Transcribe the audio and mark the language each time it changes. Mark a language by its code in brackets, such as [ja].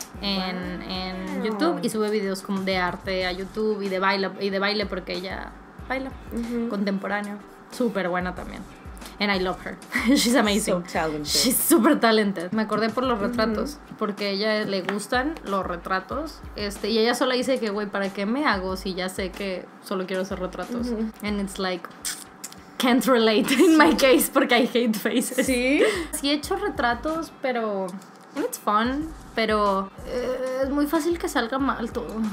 [es] En YouTube y sube videos como de arte a YouTube y de baile porque ella baila contemporáneo. Súper buena también. [en] And I love her. She's amazing. So talented. She's super talented. [es] Me acordé por los retratos porque a ella le gustan los retratos. Y ella sola dice que, güey, ¿para qué me hago si ya sé que solo quiero hacer retratos? [en] And it's like, can't relate in my case [es] porque [en] I hate faces. [es] Sí. Sí, he hecho retratos, pero. [en] And it's fun. [es] Pero es muy fácil que salga mal todo.